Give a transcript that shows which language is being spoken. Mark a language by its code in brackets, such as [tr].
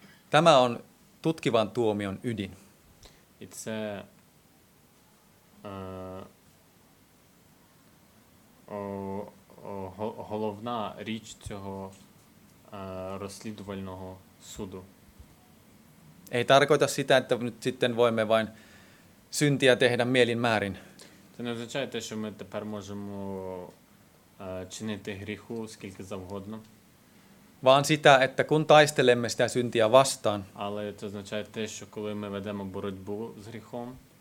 [fi] Tämä on tutkivan tuomion ydin. [uk] І це головна річ цього розслідувального суду. [fi] Ei tarkoita sitä, että nyt sitten voimme vain syntiä tehdä mielin määrin. [uk] Це не означає те, що ми тепер можемо чинити гріху скільки завгодно. [fi] Vaan sitä, että kun taistelemme sitä syntiä vastaan. [uk] Але це означає те, що коли ми ведемо боротьбу з гріхом,